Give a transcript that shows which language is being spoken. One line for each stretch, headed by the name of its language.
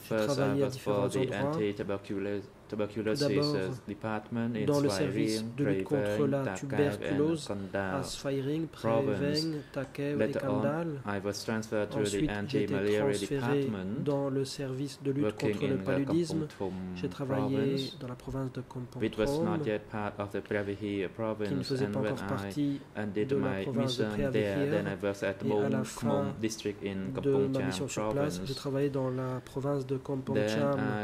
English: First, I worked for the anti-tuberculosis department in
French: dans le service de lutte contre la tuberculose à Sfairing, Preveng, Takeu et Kandal.
English: I was transferred to the anti-malaria department.
French: Dans le service de lutte contre le paludisme, j'ai travaillé dans la province de Kompong Thom.
English: It was not yet part of the Prevehi province,
French: qui ne faisait pas encore partie de la province de Prevehier. Et à la fin
English: district in
French: de ma mission sur place, j'ai travaillé dans la province de Kompong Cham.